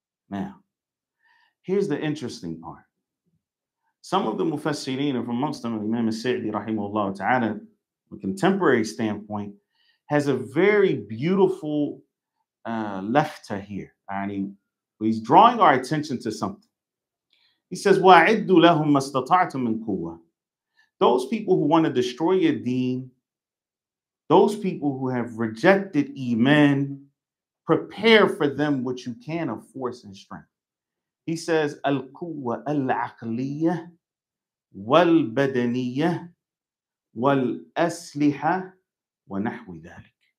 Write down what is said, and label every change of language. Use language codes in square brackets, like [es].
[en] Now, here's the interesting part. Some of the Mufassirin, and amongst them, Imam al-Sa'di, rahimahullah ta'ala, from a contemporary standpoint, has a very beautiful lefta here. He's drawing our attention to something. He says, [ar] وَاعِدُّ لَهُمْ مَسْتَطَعْتُمْ مِنْ قُوَّةِ. [en] Those people who want to destroy your deen, those people who have rejected iman, prepare for them what you can of force and strength. He says, [ar] Al-Quwa al-Aqliya wal-Badaniya wal-Asliha wa nahwi dhalik.